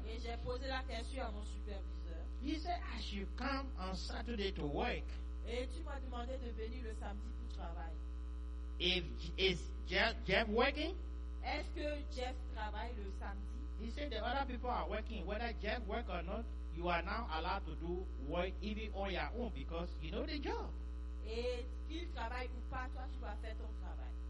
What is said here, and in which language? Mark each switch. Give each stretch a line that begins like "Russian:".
French: et j'ai posé la question à mon superviseur.
English: He said, as you come on Saturday to work,
French: et tu m'as demandé de venir le samedi pour travailler.
English: If is Jeff working?
French: Est-ce que Jeff travaille le samedi?
English: He said, the other people are working. Whether Jeff work or not, you are now allowed to do work even on your own because you know the job.
French: Et qu'il travaille ou pas, toi, tu vas faire ton travail.